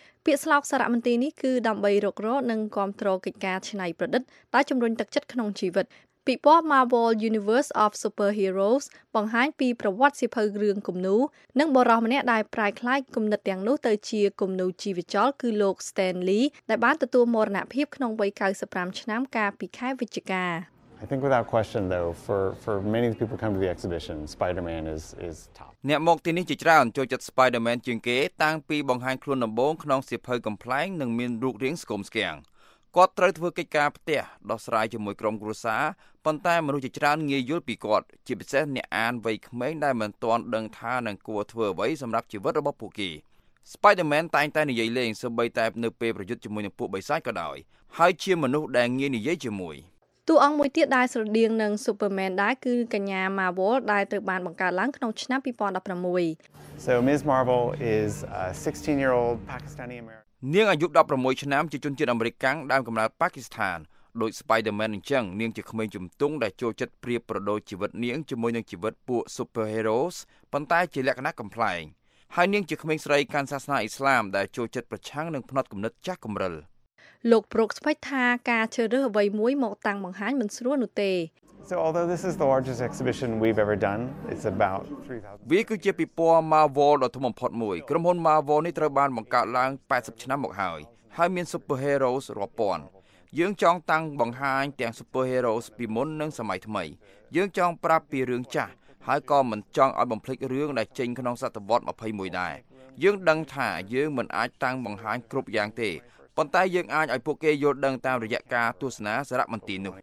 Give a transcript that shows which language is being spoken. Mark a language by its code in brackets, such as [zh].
[km] ពាក្យស្លោកសារមន្ទីរនេះគឺដើម្បីរករកនិងគ្រប់គ្រងកិច្ចការច្នៃប្រឌិតដែលជំរុញទឹកចិត្តក្នុងជីវិតពីពណ៌ Marvel Universe of Superheroes បង្ហាញពីប្រវត្តិសៀវភៅរឿងគំនូរនិងបរិសម្នាក់ដែលប្រែក្លាយគំនិតទាំងនោះទៅជាគំនូរជីវចលគឺលោក Stanley ដែលបានទទួលមរណភាពក្នុងវ័យ95ឆ្នាំកាលពីខែវិច្ឆិកា [en] I think without question though for many of the people come to the exhibition Spider-Man is top [km] អ្នកមកទីនេះជាច្រើនចូលចិត្ត Spider-Man ជាងគេតាំងពីបង្ហាញខ្លួនដំបូងក្នុងសៀវភៅកំប្លែងនិងមានរូបរាងស្គមស្គាំងគាត់ត្រូវធ្វើកិច្ចការផ្ទះដោះស្រាយជាមួយក្រុមគ្រួសារប៉ុន្តែមនុស្សជាច្រើនងាយយល់ពីគាត់ជាពិសេសអ្នកអានវ័យក្មេងដែលមិនទាន់ដឹងថានឹងគួរធ្វើអ្វីសម្រាប់ជីវិតរបស់ពួកគេ Spider-Man តែងតែនិយាយលេងសូម្បីតែនៅពេលប្រយុទ្ធជាមួយនឹងពួកបិសាចក៏ដោយហើយជាមនុស្សដែលងាយនិយាយជាមួយ តួអង្គមួយទៀតដែលស្រដៀងនឹង Superman ដែរគឺកញ្ញា Marvel ដែលត្រូវបានបង្កើតឡើងក្នុងឆ្នាំ2016 [en] So Ms. Marvel is a 16-year-old Pakistani American [km] នាងអាយុ16ឆ្នាំជាជនជាតិអាមេរិកកាំងដើមកំណើតប៉ាគីស្ថានដូច Spider-Man អញ្ចឹងនាងជាក្មេងជំទង់ដែលចូលចិត្តប្រៀបប្រដូចជីវិតនាងជាមួយនឹងជីវិតពួក Superheroes ប៉ុន្តែជាលក្ខណៈកំ pl ែងហើយនាងជាក្មេងស្រីកាន់សាសនាអ៊ីស្លាមដែលចូលចិត្តប្រឆាំងនឹងផ្នត់គំនិតចាស់គំរិល លោក Brooks ផ្ទៃថាការជ្រើសរើសអ្វីមួយមកតាំងបង្ហាញមិនស្រួលនោះទេ [en] So although this is the largest exhibition we've ever done it's about 3000 [km] វាគឺជាពិព័រណ៍ Marvel ដ៏ធំបំផុតមួយក្រុមហ៊ុន Marvel នេះត្រូវបានបង្កើតឡើង80ឆ្នាំមកហើយ ហើយមាន Super Heroes រាប់ពាន់យើងចង់តាំងបង្ហាញទាំង Super Heroes ពីមុននិងសម័យថ្មីយើងចង់ប្រាប់ពីរឿងចាស់ហើយក៏មិនចង់ឲ្យបំភ្លេចរឿងដែលចេញក្នុងសតវត្ស21ដែរយើងដឹងថាយើងមិនអាចតាំងបង្ហាញគ្រប់យ៉ាងទេប៉ុន្តែយើងអាចឲ្យពួកគេយល់ដឹងតាមរយៈការទស្សនាសារមន្ទីរនោះ